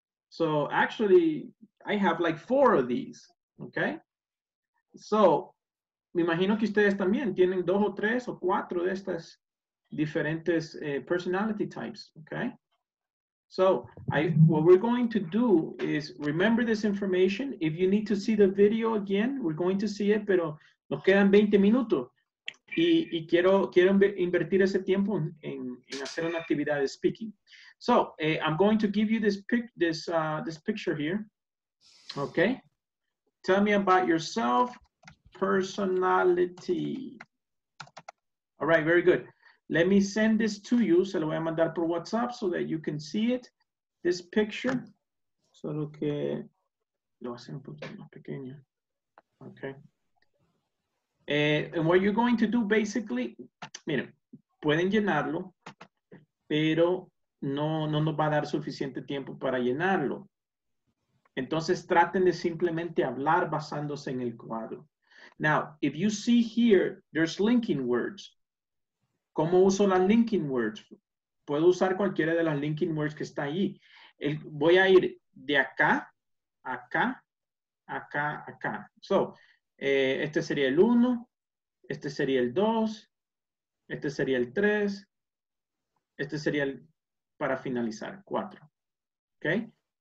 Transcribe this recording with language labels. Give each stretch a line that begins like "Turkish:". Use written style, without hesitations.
English: So actually, I have like four of these. Okay?
Spanish: So, me imagino que ustedes también tienen dos o tres o cuatro de estas diferentes personality types, okay?
English: So, what we're going to do is remember this information. If you need to see the video again, we're going to see it,
Spanish: pero nos quedan 20 minutos. Y quiero invertir ese tiempo en hacer una actividad de speaking.
English: So, I'm going to give you this picture here, okay? Tell me about yourself, personality. All right, very good. Let me send this to you.
Spanish: Se lo voy a mandar por WhatsApp
English: so that you can see it. This picture.
Spanish: Solo que lo hace un poquito más pequeño. Okay.
English: And what you're going to do basically,
Spanish: miren, pueden llenarlo, pero no nos va a dar suficiente tiempo para llenarlo. Entonces traten de simplemente hablar basándose en el cuadro.
English: Now, if you see here, there's linking words.
Spanish: ¿Cómo uso las linking words? Puedo usar cualquiera de las linking words que está ahí. Voy a ir de acá, acá, acá, acá. So, este sería el 1, este sería el 2, este sería el 3, este sería el, para finalizar, 4. Okay?